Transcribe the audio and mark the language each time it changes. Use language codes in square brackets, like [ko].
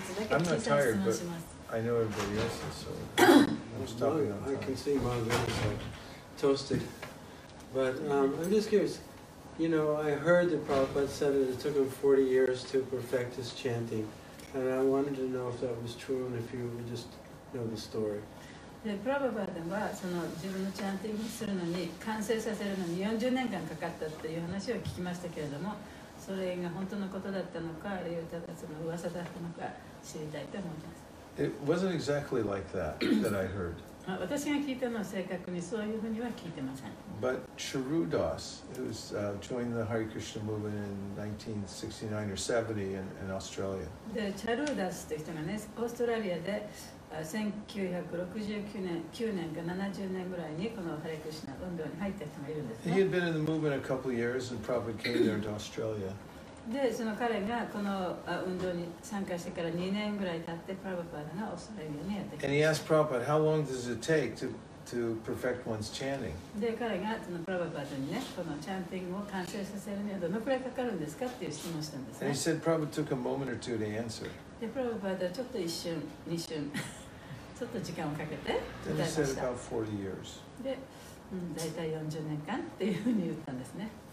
[en] I'm not tired, but I know everybody else is, so I'm stopping on time. I can see Ma Gun is like toasted. But I'm just curious. You know, I heard that Prabhupada said that it took him 40 years to perfect his chanting, and I wanted to know if that was true and if you would just know the story. [ja] Prabhupada はその自分のチャンティングするのに完成させるのに40年間かかったっていう話を聞きましたけれども、それが本当のことだったのか、あるいはただその噂だったのか知りたいと思います。 [en] It wasn't exactly like that that I heard. [ja] 私が聞いたのは正確にそういうふうには聞いてません。 [en] But Charudas, who was joined the Hare Krishna movement in 1969 or 70 in Australia. [ja] で、チャルーダスという人がね、オーストラリアで1969年か70年ぐらいにこのハレクリシュナ運動に入った人がいるんですね。 [en] He had been in the movement a couple of years and probably came there to Australia. [ja] で、その彼がこの運動に参加してから2年ぐらい経って、プラブパダがオーストラリアにやってきました。 [en] And he asked Prabhupada, how long does it take to perfect one's chanting? [ja] で、彼がそのプラブパダにね、このチャンティングを完成させるにはどのくらいかかるんですかっていう質問したんですね。 [en] And he said Prabhupada took a moment or two to answer. [ja] で、プラブパダはちょっと一瞬、二瞬、ちょっと時間をかけて答えました。 [en] Then he said about 40 years. [ja] で、大体40年間っていうふうに言ったんですね。